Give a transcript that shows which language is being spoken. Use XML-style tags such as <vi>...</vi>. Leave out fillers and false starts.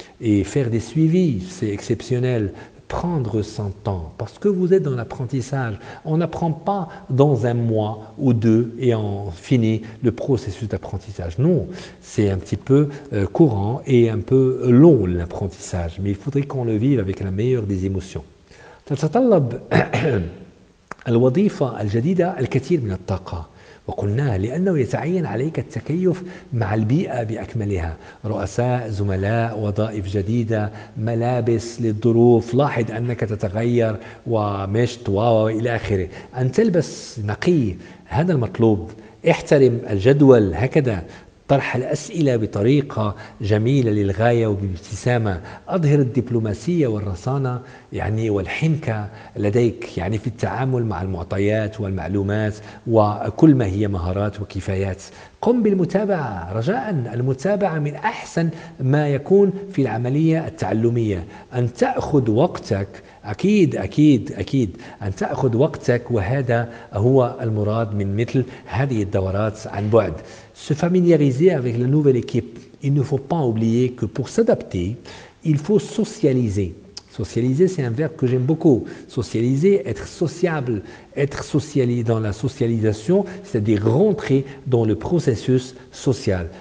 <fr>Et faire des suivis, c'est exceptionnel. Prendre son temps, parce que vous êtes dans l'apprentissage. On n'apprend pas dans un mois ou deux et on finit le processus d'apprentissage. Non, c'est un petit peu courant et un peu long l'apprentissage, mais il faudrait qu'on le vive avec la meilleure des émotions.</fr> <ar>تتطلب الوظيفة الجديدة الكثير من الطاقة. وقلناها لأنه يتعين عليك التكيف مع البيئة بأكملها، رؤساء، زملاء، وظائف جديدة، ملابس للظروف، لاحظ أنك تتغير ومشت وإلى آخره، أن تلبس نقي هذا المطلوب، احترم الجدول هكذا، طرح الأسئلة بطريقة جميلة للغاية وبابتسامة، أظهر الدبلوماسية والرصانة يعني والحنكة لديك يعني في التعامل مع المعطيات والمعلومات وكل ما هي مهارات وكفايات. قم بالمتابعة رجاء، المتابعة من أحسن ما يكون في العملية التعلمية، أن تأخذ وقتك أكيد أكيد أكيد أن تأخذ وقتك، وهذا هو المراد من مثل هذه الدورات عن بعد.</ar> <fr>Se familiariser avec la nouvelle équipe. Il ne faut pas oublier que pour s'adapter, il faut socialiser. Socialiser, c'est un verbe que j'aime beaucoup. Socialiser, être sociable, être socialisé dans la socialisation, c'est-à-dire rentrer dans le processus social.</fr>